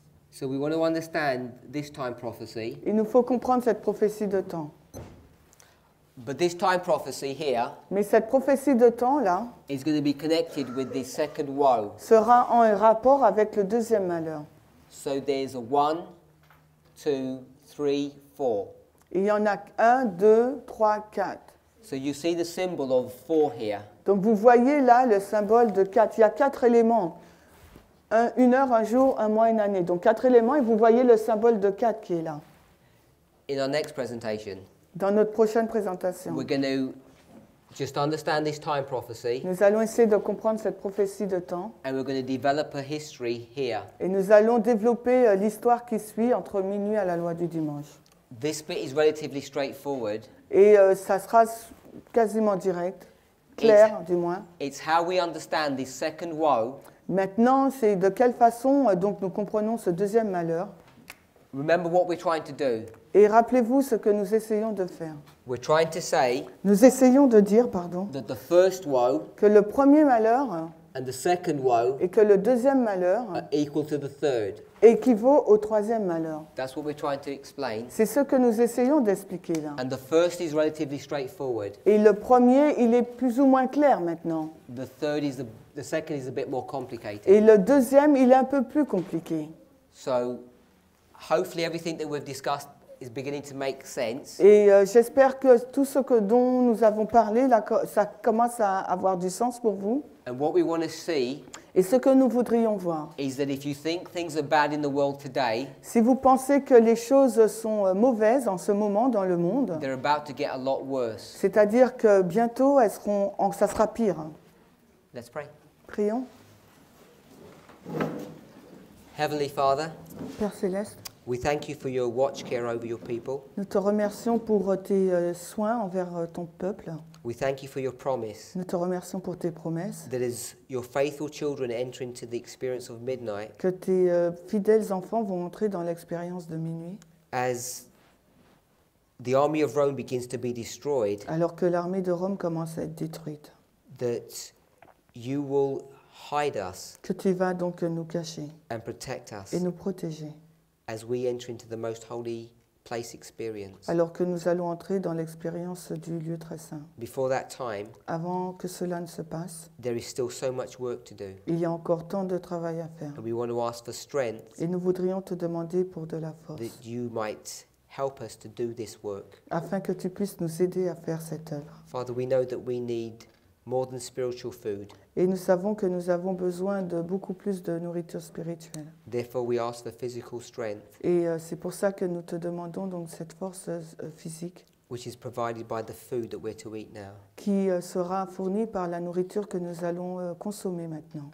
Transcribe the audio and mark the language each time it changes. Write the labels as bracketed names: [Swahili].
[English] So we want to understand this time prophecy. [French] Il nous faut comprendre cette prophétie de temps. [English] But this time prophecy here. [French] Mais cette prophétie de temps là. [English] Is going to be connected with the second woe. [French] Sera en rapport avec le deuxième malheur. [English] So there's a one, two, three, four. [French] Il y en a un, deux, trois, quatre. [English] So you see the symbol of four here. [French] Donc vous voyez là le symbole de quatre. Il y a quatre éléments. Une heure, un jour, un mois, une année. Donc quatre éléments et vous voyez le symbole de quatre qui est là. [English] In our next presentation, [French] dans notre prochaine présentation, [English] we're going to just understand this time prophecy, [French] nous allons essayer de comprendre cette prophétie de temps [English] and we're going to develop a history here. [French] Et nous allons développer l'histoire qui suit entre minuit à la loi du dimanche. [English] This bit is relatively straightforward. [French] Et ça sera quasiment direct, clair [English] it's, [French] du moins. [English] It's how we understand this second woe. [French] Maintenant, c'est de quelle façon donc nous comprenons ce deuxième malheur. [English] Remember what we're trying to do. [French] Et rappelez-vous ce que nous essayons de faire. [English] We're trying to say [French] nous essayons de dire, pardon, [English] that the first woe [French] que le premier malheur [English] and the second woe [French] et que le deuxième malheur [English] are equal to the third. [French] Équivaut au troisième malheur. [English] That's what we're trying to explain. [French] C'est ce que nous essayons d'expliquer là. [English] And the first is relatively straightforward. [French] Et le premier, il est plus ou moins clair maintenant. [English] The third is the second is a bit more complicated. [French] Et le deuxième, il est un peu plus compliqué. [English] So, hopefully everything that we've discussed is beginning to make sense. [French] Et j'espère que tout ce que dont nous avons parlé là, ça commence à avoir du sens pour vous. [English] And what we want to see. [French] Et ce que nous voudrions voir. [English] Is that if you think things are bad in the world today. [French] Si vous pensez que les choses sont mauvaises en ce moment dans le monde. [English] They're about to get a lot worse. [French] C'est-à-dire que bientôt elles seront, ça sera pire. [English] Let's pray. [French] Prions. [English] Heavenly Father. [French] Père céleste. [English] We thank you for your watch care over your people. [French] Nous te remercions pour tes soins envers ton peuple. [English] We thank you for your promise. [French] Nous te remercions pour tes promesses. [English] That as your faithful children enter into the experience of midnight. [French] Que tes fidèles enfants vont entrer dans l'expérience de minuit. [English] As the army of Rome begins to be destroyed. [French] Alors que l'armée de Rome commence à être détruite. [English] That you will hide us. [French] Que tu vas donc nous cacher. [English] And protect us. [French] Et nous protéger. [English] As we enter into the most holy place experience. [French] Alors que nous allons entrer dans l'expérience du lieu très saint. [English] Before that time. [French] Avant que cela ne se passe. [English] There is still so much work to do. [French] Il y a encore tant de travail à faire. [English] And we want to ask for strength. [French] Et nous voudrions te demander pour de la force. [English] That you might help us to do this work. [French] Afin que tu puisses nous aider à faire cette œuvre. [English] Father, we know that we need more than spiritual food. [French] Et nous savons que nous avons besoin de beaucoup plus de nourriture spirituelle. [English] Therefore we ask for physical strength. [French] Et c'est pour ça que nous te demandons donc cette force physique. [English] Which is provided by the food that we're to eat now. [French] Qui sera fournie par la nourriture que nous allons consommer maintenant.